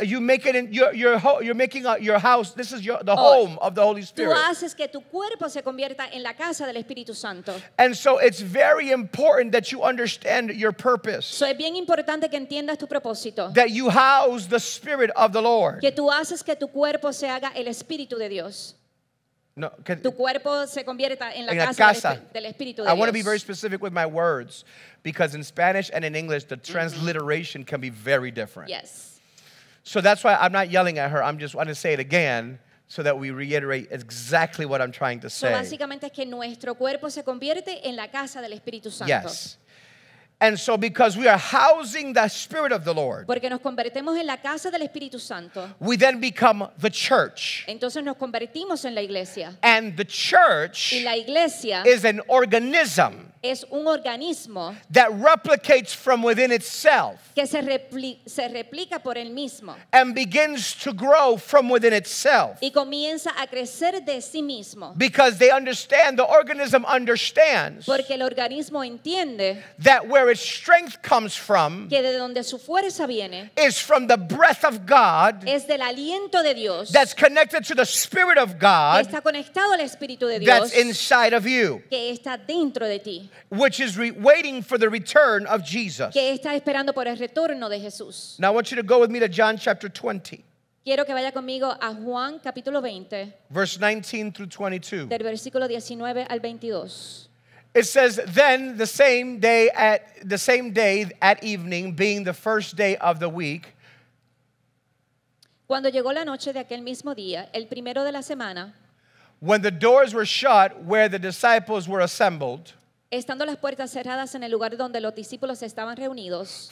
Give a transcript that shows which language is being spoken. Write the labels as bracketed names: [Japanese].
[English] You make it in you're making your house. This is the home of the Holy Spirit. [Spanish] Tú haces que tu cuerpo se convierta en la casa del Espíritu Santo. [English] And so it's very important that you understand your purpose. [Spanish] So es bien importante que entiendas tu propósito. [English] That you house the Spirit of the Lord. [Spanish] Que tú haces que tu cuerpo se haga el Espíritu de Dios. No, tu cuerpo se convierta en la casa del Espíritu de [English] Dios. I want to be very specific with my words because in Spanish and in English the transliteration can be very different. Yes. So that's why I'm not yelling at her. I'm just want to say it again so that we reiterate exactly what I'm trying to say. [Spanish] So básicamente es que nuestro cuerpo se convierte en la casa del Espíritu Santo. [English] Yes. And so because we are housing the Spirit of the Lord, [Spanish] porque nos convertimos en la casa del Espíritu Santo, [English] we then become the church. [Spanish] Entonces nos convertimos en la iglesia. [English] And the church [Spanish] y la iglesia [English] is an organism [Spanish] es un organismo [English] that replicates from within itself [Spanish] que se replica por él mismo [English] and begins to grow from within itself [Spanish] y comienza a crecer de sí mismo. [English] Because they understand, the organism understands, [Spanish] porque el organismo entiende [English] that where its strength comes from [Spanish] que de donde su fuerza viene [English] is from the breath of God [Spanish] es del aliento de Dios [English] that's connected to the Spirit of God [Spanish] está conectado al Espíritu de Dios [English] that's inside of you [Spanish] que está dentro de ti [English] which is waiting for the return of Jesus. [Spanish] Que está esperando por el retorno de Jesús. [English] Now I want you to go with me to John chapter 20. [Spanish] Quiero que vaya conmigo a Juan capítulo 20. [English] Verse 19 through 22. [Spanish] Del versículo 19 al 22. [English] It says, then the same day at evening, being the first day of the week. [Spanish] Cuando llegó la noche de aquel mismo día, el primero de la semana. [English] When the doors were shut where the disciples were assembled. [Spanish] Estando las puertas cerradas en el lugar donde los discípulos estaban reunidos.